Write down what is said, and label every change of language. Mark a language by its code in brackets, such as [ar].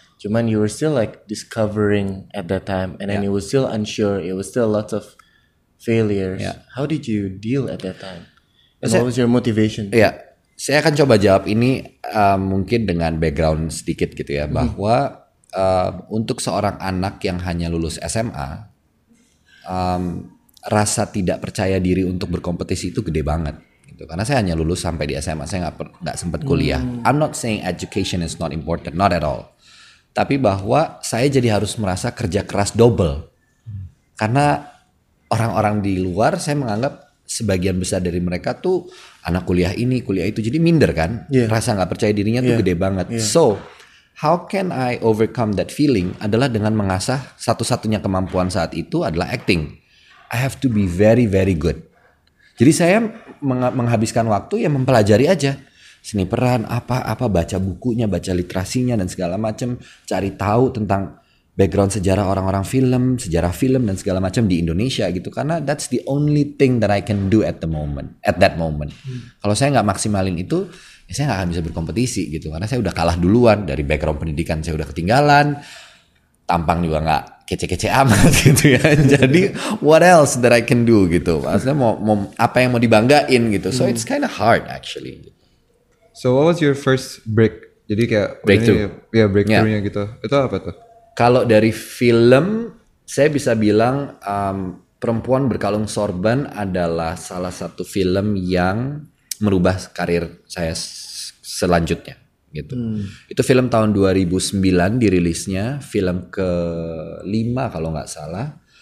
[en] Cuman you were still like discovering at that time and then you were still unsure. It was still lots of failures. Yeah. How did you deal at that time? And what was your motivation? Yeah. [id] Saya akan coba jawab ini mungkin dengan background sedikit gitu ya. Bahwa untuk seorang anak yang hanya lulus SMA, rasa tidak percaya diri untuk berkompetisi itu gede banget. Gitu. Karena saya hanya lulus sampai di SMA, saya gak sempat kuliah. [en] I'm not saying education is not important, not at all. [id] Tapi bahwa saya jadi harus merasa kerja keras double. Karena orang-orang di luar saya menganggap sebagian besar dari mereka tuh anak kuliah ini, kuliah itu. Jadi minder kan. [en] Yeah. [id] Rasa gak percaya dirinya tuh gede banget. [en] Yeah. So, how can I overcome that feeling [id] adalah dengan mengasah satu-satunya kemampuan saat itu adalah acting. [en] I have to be very, very good. [id] Jadi saya menghabiskan waktu ya mempelajari aja. Seni peran, apa-apa, baca bukunya, baca literasinya dan segala macam. Cari tahu tentang background sejarah orang-orang film, sejarah film dan segala macam di Indonesia gitu. Karena [en] that's the only thing that I can do at the moment, at that moment. [id] Kalau saya gak maksimalin itu, ya saya gak akan bisa berkompetisi gitu. Karena saya udah kalah duluan, dari background pendidikan saya udah ketinggalan. Tampang juga gak kece-kece amat gitu ya. Jadi [en] what else that I can do [id] gitu. Maksudnya mau apa yang mau dibanggain gitu. [en] So it's kind of hard actually. So what was your first break? [id] Jadi kayak breakthrough-nya gitu. Itu apa tuh? Kalau dari film, saya bisa bilang Perempuan Berkalung Sorban adalah salah satu film yang merubah karir saya selanjutnya. Gitu. Itu film tahun 2009 dirilisnya, film kelima kalau nggak salah.